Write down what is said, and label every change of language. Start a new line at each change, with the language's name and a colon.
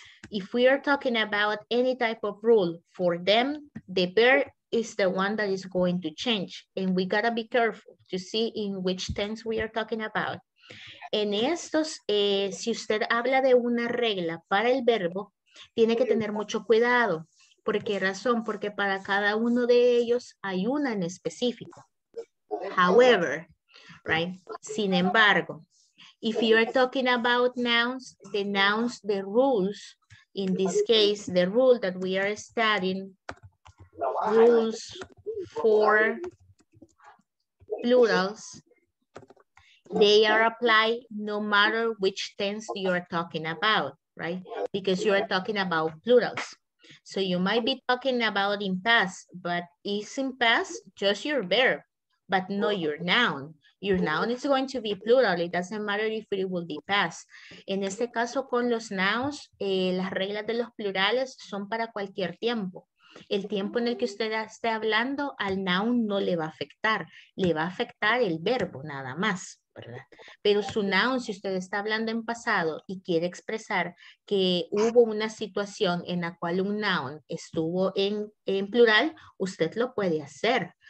English: If we are talking about any type of rule for them, the verb is the one that is going to change. And we gotta be careful to see in which tense we are talking about.
Spanish: En estos, si usted habla de una regla para el verbo, tiene que tener mucho cuidado. ¿Por qué razón? Porque para cada uno de ellos hay una en específico. However, right? Sin embargo,
English: if you are talking about nouns, the nouns, the rules, in this case, the rule that we are studying, rules for plurals, they are applied no matter which tense you are talking about, right? Because you are talking about plurals. So you might be talking about in past, but is in past just your verb, but not your noun. Your noun is going to be plural. It doesn't matter if it will be past.
Spanish: En este caso, con los nouns, las reglas de los plurales son para cualquier tiempo. El tiempo en el que usted esté hablando, al noun no le va a afectar. Le va a afectar el verbo, nada más, ¿verdad? Pero su noun, si usted está hablando en pasado y quiere expresar que hubo una situación en la cual un noun estuvo en plural, usted lo puede hacer.